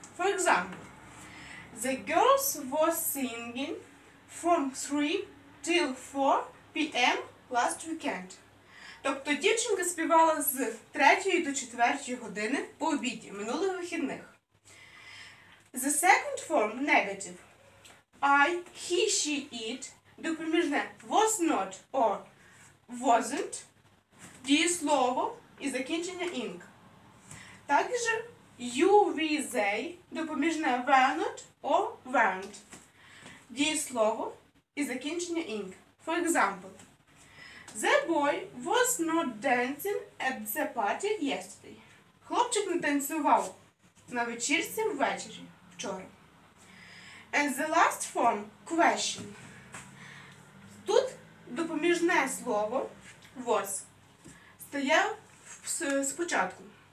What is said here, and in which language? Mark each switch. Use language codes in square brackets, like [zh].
[en] For example, the girls were singing from 3 till 4 p.m. last weekend. [uk] Тобто дівчинка співала з 3 до 4 години по обіді минулих вихідних. [en] The second form – negative. I, he, she, it – [uk] допоміжне [en] was not or wasn't – [uk] дієслово і закінчення [en] ing. [uk] Також [en] you, we, they – [uk] допоміжне [en] were not or weren't – [uk] дієслово і закінчення [en] ing. For example, the boy was not dancing at the party yesterday. [uk] Хлопчик не танцював на вечірці ввечері вчора. [en] And the last form – question. [uk] Тут допоміжне слово was стояв спочатку.